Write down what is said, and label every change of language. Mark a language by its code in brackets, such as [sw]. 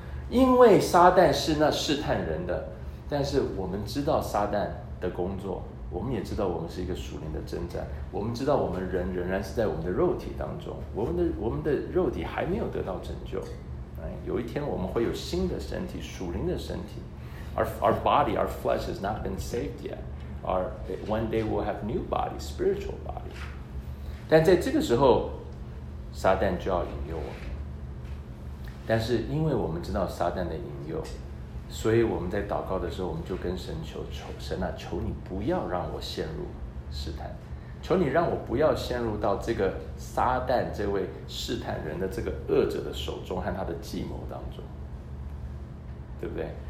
[zh] 因为撒旦是那试探人的，但是我们知道撒旦的工作，我们也知道我们是一个属灵的征战，我们知道我们人仍然是在我们的肉体当中，我们的肉体还没有得到拯救，有一天我们会有新的身体，属灵的身体。 [en] Our body, our flesh has not been saved yet. One day we'll have new body, spiritual body. [zh] 但在这个时候撒旦就要引诱我们，但是因为我们知道撒旦的引诱，所以我们在祷告的时候我们就跟神求神啊，求你不要让我陷入试探，求你让我不要陷入到这个撒旦这位试探人的这个恶者的手中和他的计谋当中，对不对？